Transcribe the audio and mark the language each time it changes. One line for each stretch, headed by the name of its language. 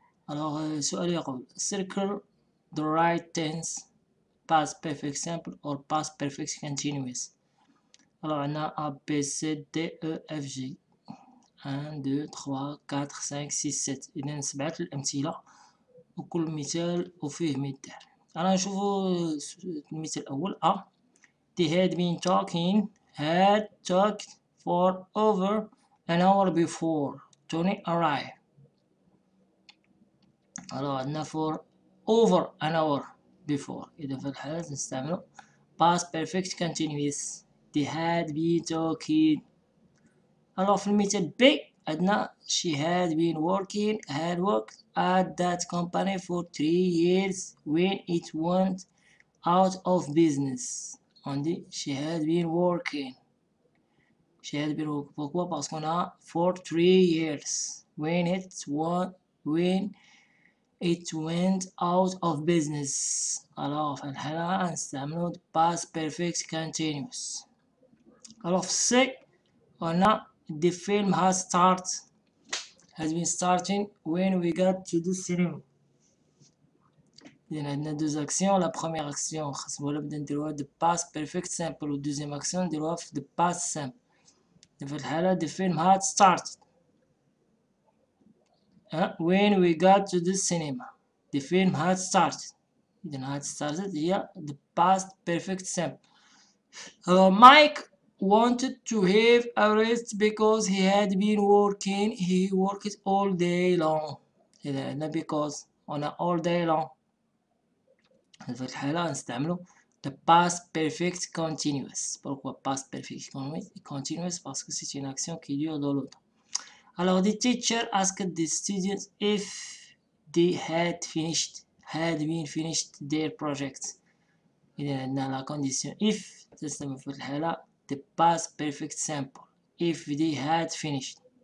French: Alors,
Arabic: سؤال يقول:
English: circle the right tense past perfect simple or past perfect continuous.
French: Alors, on a A, B, C, D, E, F, G. 1, 2, 3, 4, 5, 6, 7.
Arabic: إذا سبعة الأمثلة وكل مثال وفيه مثال. أنا نشوف المثال الأول A.
English: They had been talking, had talked for over an hour before Tony arrived. Alors,
Arabic: عندنا
English: for over an hour before. إذا في الحالة نستعمل past perfect continuous. They had been talking. Alors,
Arabic: في المثال B عندنا
English: she had been working, had worked at that company for 3 years when it went out of business.
French: On dit
English: she had been working. She had been working.
French: Pourquoi? Parce qu'on a
English: for 3 years when it went, when it went out of business.
Arabic: Alors, في الحالة نستعملو
English: past perfect continuous. Alors,
Arabic: في C,
French: on a
English: the film has start, has been starting when we got to the cinema.
French: Il y en a deux actions. La première action, c'est le droit de past perfect simple. La deuxième action, le droit de past simple.
Arabic: في الحالة,
English: the film had started. When we got to the cinema, the film had started. Then had started here, the past perfect simple. Mike wanted to have a rest because he had been working. He worked all day long. Then because on all day long.
Arabic: في الحالة نستعملو
English: the past perfect continuous. Pourquoi past perfect continuous?
French: Parce que c'est une action qui dure dans l'autre.
English: Alors, the teacher asked the students if they had finished, had been finished their project. In
French: la condition,
English: if, the past perfect simple, if they had finished.